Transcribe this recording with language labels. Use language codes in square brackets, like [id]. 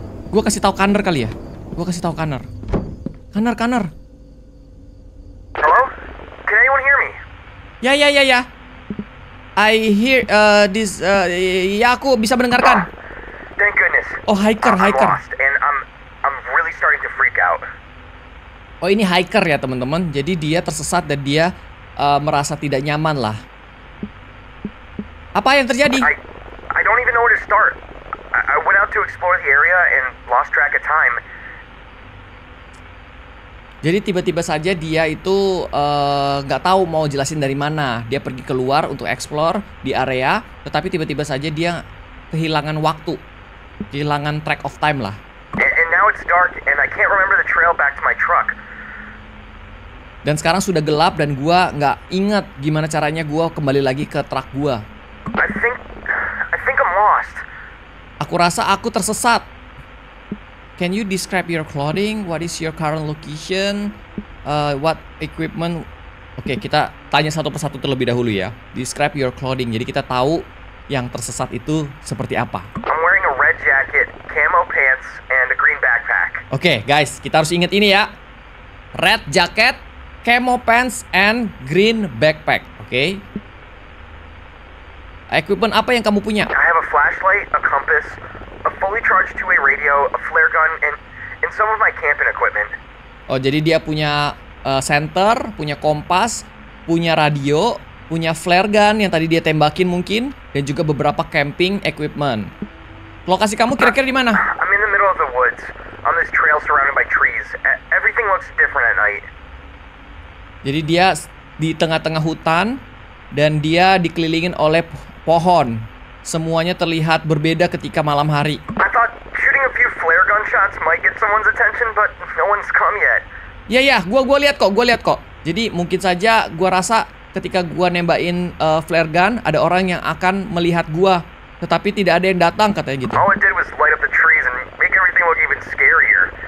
[id] Gue kasih tahu Connor kali ya. Connor. [en] Hello? Can anyone hear me? Ya. I hear this. [id] Ya, aku bisa mendengarkan. [en] Oh, thank goodness. Oh, hiker. I'm lost and I'm really starting to freak out. [id] Oh, ini hiker ya, teman-teman. Jadi dia tersesat dan dia merasa tidak nyaman lah. Apa yang terjadi? [en] I don't even know where to start. I went out to explore the area and lost track of time. [id] Jadi tiba-tiba saja dia itu gak tahu mau jelasin dari mana. Dia pergi keluar untuk explore di area, tetapi tiba-tiba saja dia kehilangan waktu. Kehilangan [en] track of time [id] lah. [en] And now it's dark and I can't remember the trail back to my truck. [id] Dan sekarang sudah gelap dan gua gak ingat gimana caranya gua kembali lagi ke truk gua. [en] I think I'm lost. [id] Aku rasa aku tersesat. [en] Can you describe your clothing? What is your current location? What equipment? [id] Oke, kita tanya satu persatu terlebih dahulu ya. [en] Describe your clothing. [id] Jadi kita tahu yang tersesat itu seperti apa. [en] I'm wearing a red jacket, camo pants, and a green backpack. [id] Oke, guys, kita harus ingat ini ya. [en] Red jacket, camo pants, and green backpack. [id] Oke. Equipment apa yang kamu punya? [en] I have a flashlight, a compass, a fully charged two-way radio, a flare gun, and some of my camping equipment. [id] Oh, jadi dia punya senter, punya kompas, punya radio, punya [en] flare gun [id] yang tadi dia tembakin mungkin, dan juga beberapa [en] camping equipment. [id] Lokasi kamu kira-kira di mana? [en] I'm in the middle of the woods, on this trail surrounded by trees. Everything looks different at night. [id] Jadi dia di tengah-tengah hutan, dan dia dikelilingin oleh pohon. Semuanya terlihat berbeda ketika malam hari. [en] I thought shooting a few flare gunshots might get someone's attention, but no one's come yet. [id] Ya ya, gua lihat kok. Jadi mungkin saja gua rasa ketika gua nembakin [en] flare gun, [id] ada orang yang akan melihat gua, tetapi tidak ada yang datang, katanya gitu. [en] All it did was light up the trees and make everything look even scarier.